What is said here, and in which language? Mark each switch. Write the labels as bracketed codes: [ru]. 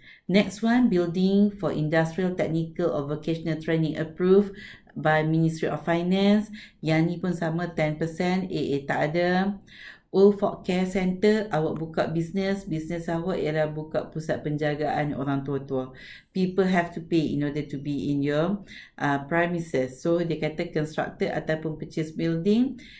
[en] Next one, building for industrial, technical or vocational training approved by Ministry of Finance. [ms] Yang ni pun sama 10%, AA tak ada. Old Folk Care Center, awak buka business. Business awak ialah buka pusat penjagaan orang tua-tua. [en] People have to pay in order to be in your premises. [ms] So, dia kata constructed ataupun purchase building.